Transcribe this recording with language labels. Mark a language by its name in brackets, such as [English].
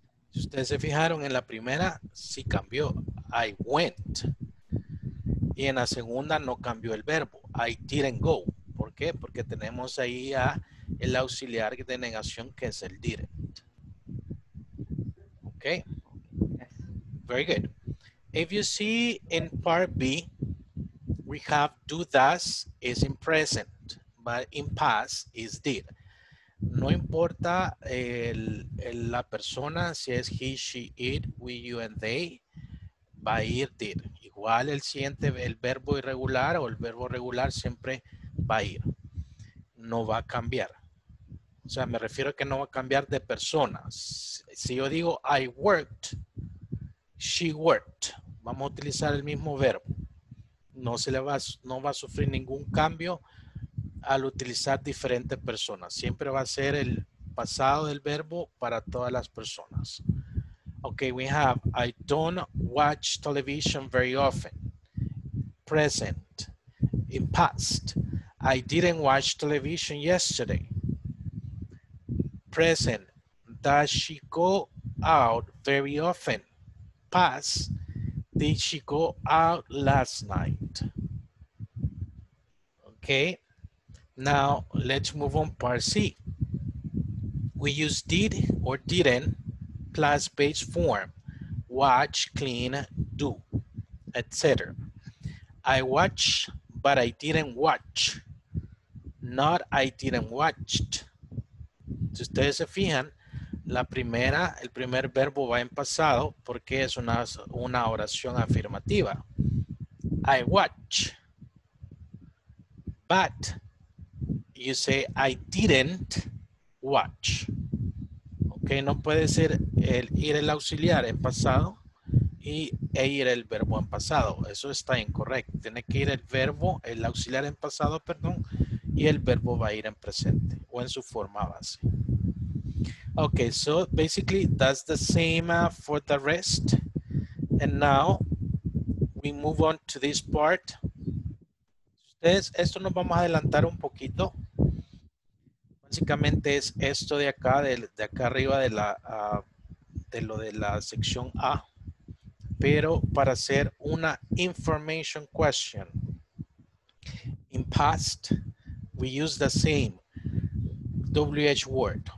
[Spanish] Si ustedes se fijaron en la primera, sí cambió. [English] I went. [Spanish] Y en la segunda no cambió el verbo. [English] I didn't go. [Spanish] ¿Por qué? Porque tenemos ahí a el auxiliar de negación que es el didn't. [English] Okay. Very good. If you see in part B, we have do does is in present, but in past is did. [Spanish] No importa la persona, si es [English] he, she, it, we, you, and they, [Spanish] va a ir did. Igual el siguiente, el verbo irregular o el verbo regular siempre va a ir. No va a cambiar. O sea, me refiero a que no va a cambiar de personas. Si yo digo [English] I worked, she worked. [Spanish] Vamos a utilizar el mismo verbo. No se le va, no va a sufrir ningún cambio al utilizar diferentes personas. Siempre va a ser el pasado del verbo para todas las personas. [English] Okay, we have, I don't watch television very often. Present, in past. I didn't watch television yesterday. Present, does she go out very often? Past, did she go out last night? Okay, now let's move on part C. We use did or didn't. Plus base form, watch, clean, do, etc. I watch, but I didn't watch. Not I didn't watched. [Spanish] Si ustedes se fijan, la primera, el primer verbo va en pasado porque es una oración afirmativa. [English] I watch, but you say I didn't watch. [Spanish] Okay, no puede ser el ir el auxiliar en pasado y e ir el verbo en pasado. Eso está incorrecto. Tiene que ir el verbo, el auxiliar en pasado, perdón, y el verbo va a ir en presente o en su forma base. [English] Okay, so basically that's the same for the rest. And now we move on to this part. [Spanish] Ustedes, esto nos vamos a adelantar un poquito. Básicamente es esto de acá, de acá arriba de la de lo de la sección A, pero para hacer una [English] information question. In past, we use the same WH word.